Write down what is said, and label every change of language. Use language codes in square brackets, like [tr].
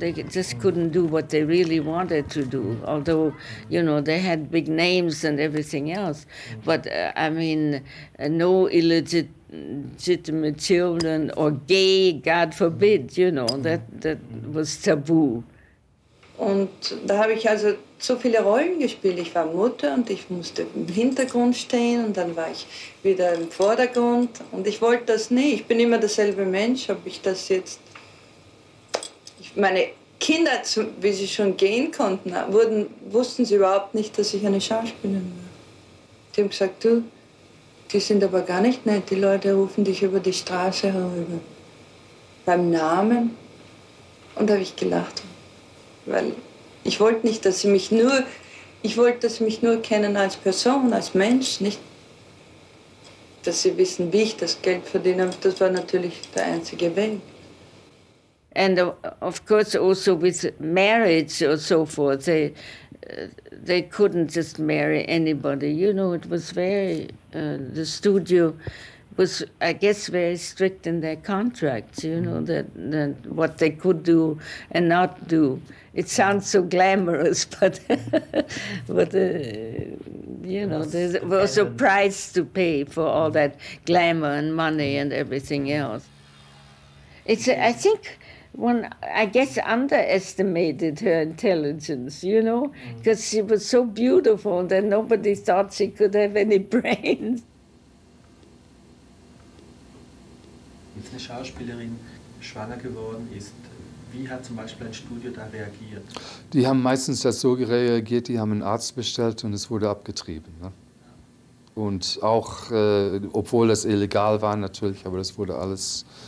[en] They just couldn't do what they really wanted to do, although, you know, they had big names and everything else. But, no illegitimate children or gay, God forbid, you know, that was taboo. [de] Und da habe ich also so viele Rollen gespielt. Ich war Mutter und ich musste im Hintergrund stehen und dann war ich wieder im Vordergrund. Und ich wollte das nie. Ich bin immer derselbe Mensch, ob ich das jetzt... Meine Kinder, wie sie schon gehen konnten, wussten sie überhaupt nicht, dass ich eine Schauspielerin war. Die haben gesagt, du, die sind aber gar nicht nett. Die Leute rufen dich über die Straße herüber. Beim Namen. Und da habe ich gelacht. Weil ich wollte nicht, dass sie mich nur, ich wollte, dass sie mich nur kennen als Person, als Mensch, nicht, dass sie wissen, wie ich das Geld verdiene. Das war natürlich der einzige Weg. [en] And of course also with marriage or so forth, they couldn't just marry anybody. You know, it was very, the studio was, I guess, very strict in their contracts, you know, that what they could do and not do. It sounds so glamorous, but, there was a price to pay for all that glamour and money and everything else. I guess, underestimated her intelligence, you know, because she was so beautiful that nobody thought she could have any brains. [de] Wenn eine Schauspielerin schwanger geworden ist, wie hat zum Beispiel ein Studio da reagiert? Die haben meistens das so reagiert, die haben einen Arzt bestellt und es wurde abgetrieben. Ne? Und auch, obwohl das illegal war natürlich, aber das wurde alles...